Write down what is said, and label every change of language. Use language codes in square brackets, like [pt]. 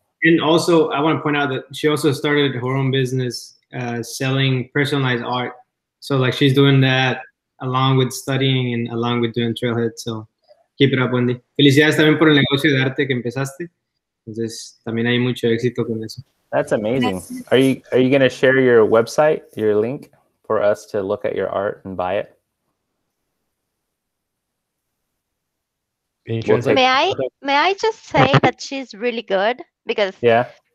[en] and also, I want to point out that she also started her own business selling personalized art. So like she's doing that along with studying and along with doing Trailhead. So keep it up, Wendy. [es] Felicidades también por el negocio de arte que empezaste. Entonces, también hay mucho éxito con eso. [en] That's amazing. Are you going to share your website, your link for us to look at your art and buy it? May I just say that she's really good because yeah,